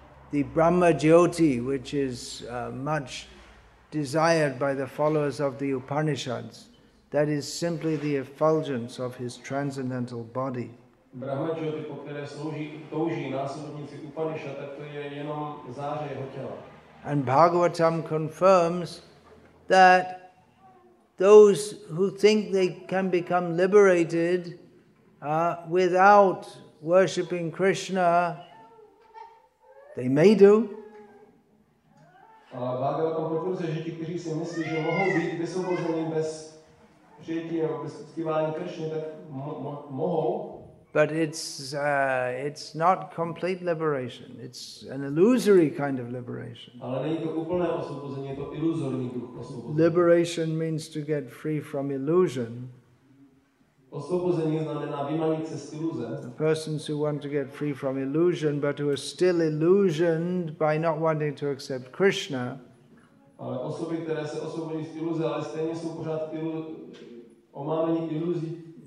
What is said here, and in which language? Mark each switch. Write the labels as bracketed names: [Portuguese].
[English] The Brahma Jyoti, which is much desired by the followers of the Upanishads, that is simply the effulgence of his transcendental body. [Czech] Brahma Jyoti, po které slouží, touží následovníci Upanishad, tak to je jenom záře jeho těla. [English] And Bhagavatam confirms that those who think they can become liberated without worshipping Krishna, they may do. [Czech] A Bhagavatam potvrzuje, že ti, kteří si myslí, že mohou být vysvobozeni bez přijetí nebo bez uctívání Krishny, tak mohou. [English] But it's not complete liberation. It's an illusory kind of liberation. [Czech] Ale není to úplné osvobození, je to iluzorní druh osvobození. [English] Liberation means to get free from illusion. [Czech] Osvobození znamená vymanit se z iluze. [English] Persons who want to get free from illusion, but who are still illusioned by not wanting to accept Krishna. [Czech] Ale osoby, které se osvobodí z iluze, ale stejně jsou pořád omámení iluzí.